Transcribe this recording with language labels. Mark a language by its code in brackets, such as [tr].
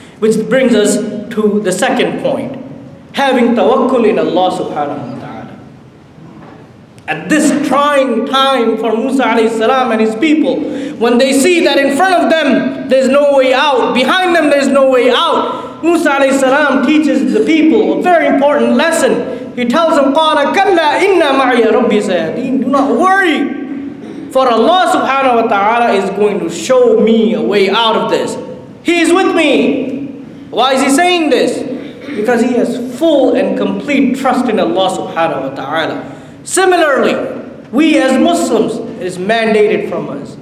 [en] Which brings us to the second point, having tawakkul in Allah subhanahu wa ta'ala. At this trying time for Musa alayhi salam and his people, when they see that in front of them there's no way out, behind them there's no way out, Musa alayhi salam teaches the people a very important lesson. [ar] He tells them, قَالَ كَلَّا إِنَّا مَعِيَ رَبِّي سَيَدِينَ. [en] Do not worry, for Allah subhanahu wa ta'ala is going to show me a way out of this. He is with me. Why is he saying this? Because he has full and complete trust in Allah subhanahu wa ta'ala. Similarly, we as Muslims, it is mandated from us.